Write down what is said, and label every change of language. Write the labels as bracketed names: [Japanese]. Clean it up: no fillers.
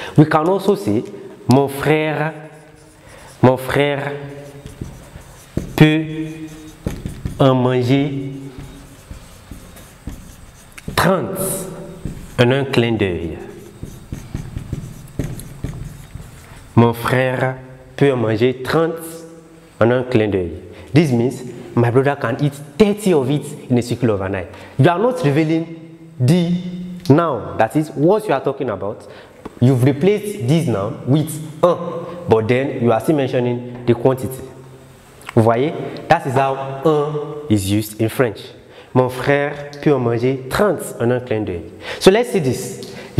[English] We can also say, [French] mon frère peut en manger 30 en un clin d'œil. Mon frère peut en manger 30 en un clin d'œil. [English] This means my brother can eat 30 of it in a circle of an eye. You are not revealing the noun, that is what you are talking about. You've replaced this noun with un, but then you are still mentioning the quantity. [French] Vous voyez? [English] That is how un is used in French. Mon frère peut en manger 30 en un clin d'œil. So let's see this.